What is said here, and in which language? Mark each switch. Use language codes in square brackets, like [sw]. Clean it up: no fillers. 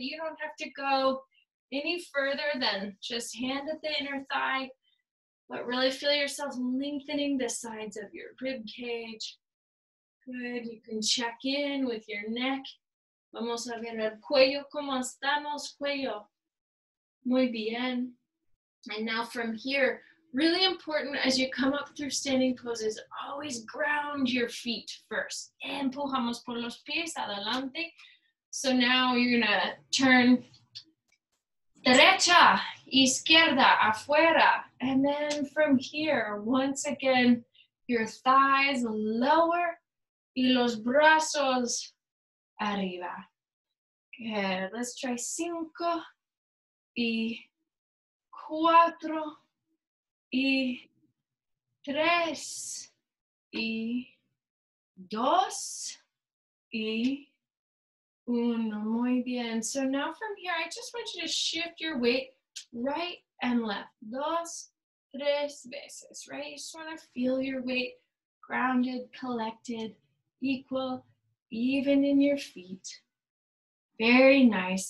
[en] You don't have to go any further than just hand at the inner thigh, but really feel yourself lengthening the sides of your rib cage. Good, you can check in with your neck. [es] Vamos a ver el cuello, ¿cómo estamos, cuello? Muy bien. [en] And now from here, really important as you come up through standing poses, always ground your feet first. [es] Empujamos por los pies, adelante. [en] So now you're gonna turn [es] derecha, izquierda, afuera. [en] And then from here, once again, your thighs lower [es] y los brazos arriba. [en] Good. Let's try [es] cinco y cuatro y tres y dos y uno. Muy bien. [en] So now from here, I just want you to shift your weight right and left. [es] Dos, tres veces, [en] right? You just want to feel your weight grounded, collected, equal, even in your feet. Very nice.